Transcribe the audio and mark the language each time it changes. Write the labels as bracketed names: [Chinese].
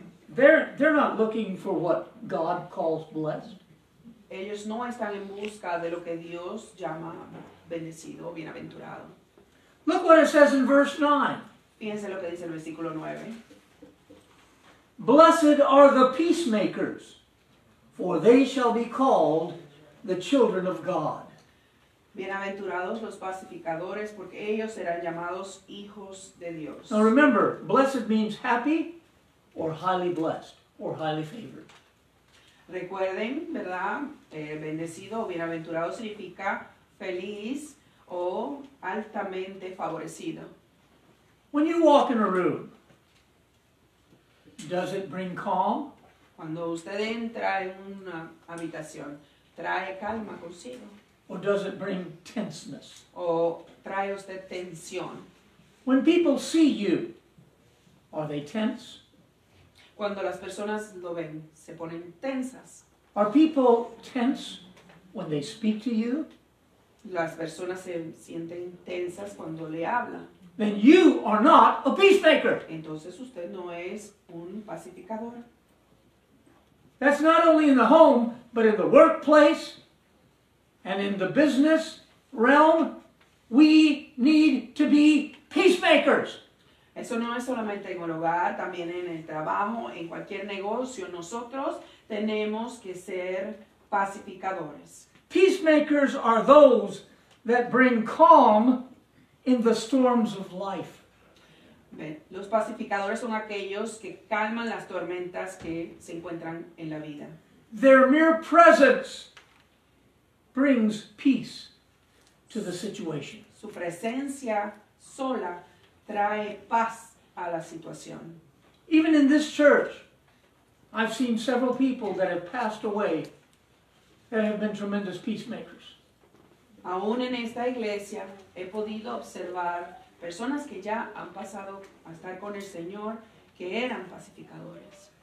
[English] They're not looking for what God calls blessed. [Spanish] Ellos no están en busca de lo que Dios llama bendecido, bienaventurado. [English] Look what it says in verse 9. [Spanish] Fíjense lo que dice el versículo 9. [English] Blessed are the peacemakers, for they shall be called the children of God. [Spanish] Bienaventurados los pacificadores, porque ellos serán llamados hijos de Dios. [English] Now remember, blessed means happy or highly blessed or highly favored. [Spanish] Recuerden, ¿verdad? Bendecido o bienaventurado significa feliz o altamente favorecido. [English] When you walk in a room, does it bring calm? [Spanish] Cuando usted entra en una habitación, ¿trae calma consigo? [English] Or does it bring tenseness? [Spanish] ¿O trae usted tensión? [English] When people see you, are they tense? [Spanish] Cuando las personas lo ven, se ponen tensas. [English] Are people tense when they speak to you? [Spanish] Las personas se sienten tensas cuando le hablan. [English] Then you are not a peacemaker. [Spanish] Entonces usted no es un pacificador. [English] That's not only in the home, but in the workplace and in the business realm, we need to be peacemakers. [Spanish] Eso no es solamente en el hogar, también en el trabajo, en cualquier negocio, nosotros tenemos que ser pacificadores. [English] Peacemakers are those that bring calm in the storms of life. [Spanish] Los pacificadores son aquellos que calman las tormentas que se encuentran en la vida. [English] Their mere presence brings peace to the situation. [Spanish] Su presencia sola trae paz a la situación. [English] Even in this church, I've seen several people that have passed away that have been tremendous peacemakers. [Spanish] Aún en esta iglesia he podido observar personas que ya han pasado a estar con el Señor que eran pacificadores.